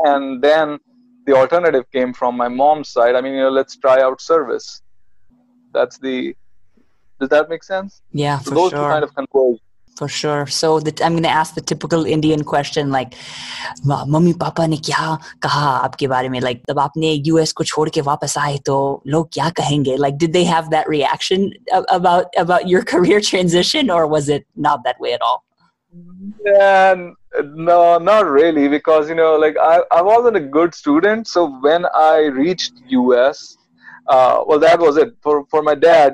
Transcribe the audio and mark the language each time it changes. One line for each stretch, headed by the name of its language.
English: And then the alternative came from my mom's side. I mean, you know, let's try out service. Does that make sense? Yeah, so for those sure. Those two kind of converge. For sure. So I'm going to ask the typical Indian question, like, "Mummy,
Hindi: पापा ने क्या कहा आपके बारे में?
English: Like,
Hindi: तब आपने US को छोड़ के वापस आए तो लोग क्या कहेंगे?
English: Like, did they have that reaction about your career transition, or was it not that way at all? Yeah. No, not really, because, you know, like I wasn't a good student. So when I reached US, well, that was it for my dad.